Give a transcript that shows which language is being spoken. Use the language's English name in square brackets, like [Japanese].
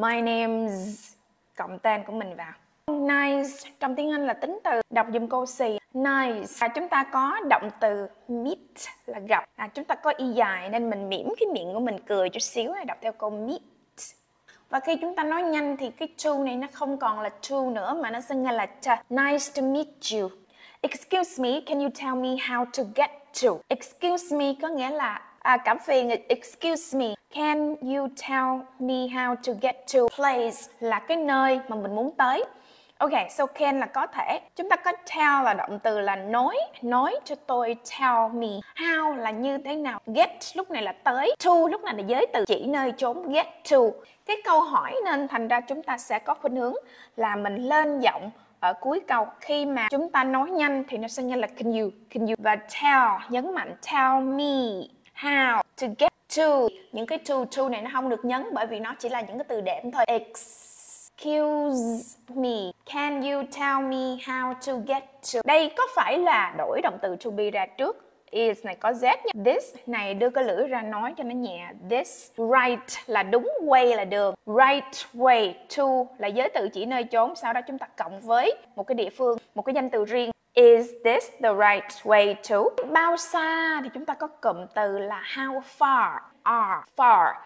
[English] My name's, [Vietnamese] cộng tên của mình vào. Nice trong tiếng Anh là tính từ, đọc giùm cô xì. Nice. Chúng ta có động từ meet là gặp. Chúng ta có y dài nên mình mỉm cái miệng của mình cười chút xíu, đọc theo câu meet. Và khi chúng ta nói nhanh thì cái to này nó không còn là to nữa mà nó sẽ nghe là ta. [English] Nice to meet you. Excuse me, can you tell me how to get to? Excuse me có nghĩa là cảm phiền. Excuse me, can you tell me how to get to place, [Vietnamese] là cái nơi mà mình muốn tới. Ok, so can là có thể. Chúng ta có tell là động từ là nói. Nói cho tôi, [English] tell me. [Vietnamese] How là như thế nào. Get lúc này là tới. To lúc này là giới từ chỉ nơi chốn. Get to. Cái câu hỏi nên thành ra chúng ta sẽ có khuynh hướng là mình lên giọng ở cuối câu. Khi mà chúng ta nói nhanh thì nó sẽ nhanh là [English] can you, can you. [Vietnamese] Và tell, nhấn mạnh [English] tell me how to get to. [Vietnamese] Những cái to này nó không được nhấn bởi vì nó chỉ là những cái từ đệm thôi. [English] Excuse me, can you tell me how to get to? [Vietnamese] Đây có phải là đổi động từ to be ra trước? Is này có z nha. This này đưa cái lưỡi ra nói cho nó nhẹ. This, right là đúng, way là đường. Right way, to là giới từ chỉ nơi chốn. Sau đó chúng ta cộng với một cái địa phương, một cái danh từ riêng. [English] Is this the right way to? [Vietnamese] Bao xa thì chúng ta có cụm từ là [English] how far. Are far.